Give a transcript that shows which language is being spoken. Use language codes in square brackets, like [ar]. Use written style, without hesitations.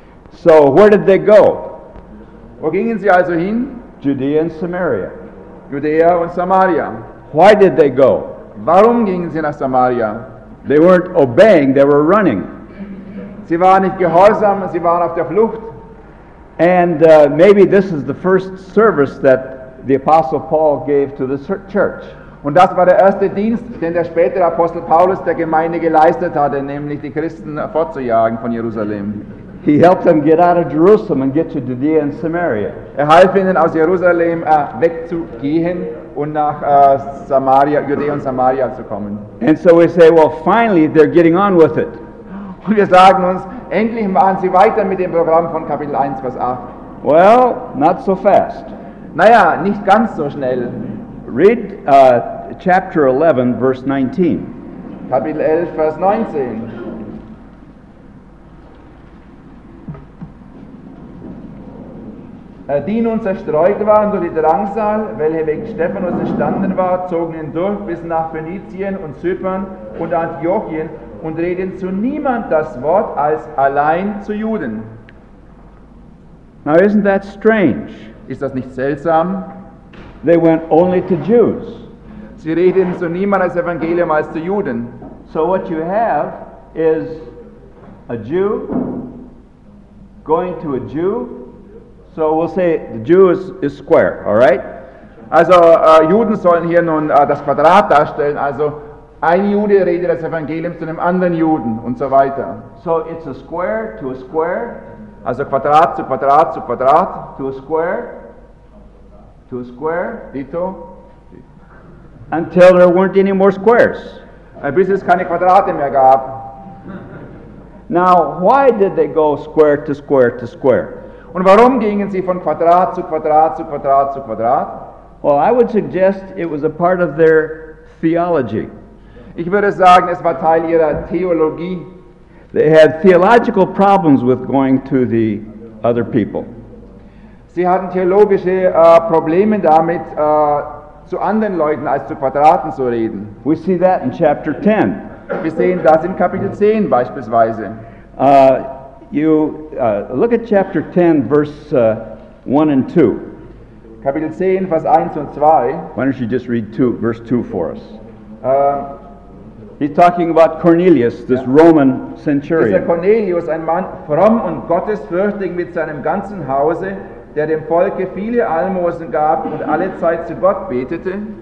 [en] So, where did they go? [de] Wo gingen sie also hin? [en] Judea and Samaria. [de] Judäa und Samaria. [en] Why did they go? [de] Warum gingen sie nach Samaria? [en] They weren't obeying, they were running. [de] Sie waren nicht gehorsam, sie waren auf der Flucht. [en] And maybe this is the first service that the Apostle Paul gave to the church. [de] Und das war der erste Dienst, den der spätere Apostel Paulus der Gemeinde geleistet hatte, nämlich die Christen fortzujagen von Jerusalem. [en] He helped them get out of Jerusalem and get to Judea and Samaria. [de] Er half ihnen, aus Jerusalem wegzugehen und nach Samaria, Judäa und Samaria zu kommen. [en] And so we say, well, finally they're getting on with it. [de] Und wir sagen uns, endlich machen sie weiter mit dem Programm von Kapitel 1, Vers 8. [en] Well, not so fast. [de] Naja, nicht ganz so schnell. [en] Read chapter 11, verse 19. [de] Kapitel 11, Vers 19. Die nun zerstreut waren durch die Drangsal, welche wegen Stephanus entstanden war, zogen hindurch bis nach Phönizien und Zypern und Antiochien und reden zu niemand das Wort als allein zu Juden. [en] Now isn't that strange? [de] Ist das nicht seltsam? [en] They went only to Jews. [de] Sie reden zu niemand das Evangelium als zu Juden. [en] So what you have is a Jew going to a Jew. So we'll say the Jew is square, all right? [de] Also Juden sollen hier nun das Quadrat darstellen, also ein Jude redet das Evangelium zu einem anderen Juden und so weiter. [en] So it's a square to a square. [de] Also Quadrat zu Quadrat zu Quadrat. [en] To a square. To a square. [de] Dito. [en] Until there weren't any more squares. [de] Bis es keine Quadrate mehr gab. [en] Now, why did they go square to square to square? [de] Und warum gingen sie von Quadrat zu Quadrat zu Quadrat zu Quadrat? [en] Well, I would suggest it was a part of their theology. [de] Ich würde sagen, es war Teil ihrer Theologie. [en] They had theological problems with going to the other people. [de] Sie hatten theologische Probleme damit, zu anderen Leuten als zu Quadraten zu reden. [en] We see that in chapter 10. [de] Wir sehen das in Kapitel 10 beispielsweise. [en] Look at chapter 10, verse 1 and 2. [de] Kapitel 10, Vers 1 und 2. [en] Why don't you just read verse 2 for us? He's talking about Cornelius, this Roman centurion. [de] Dieser Cornelius, ein Mann fromm und gottesfürchtig mit seinem ganzen Hause, der dem Volke viele Almosen gab und alle Zeit zu Gott betete.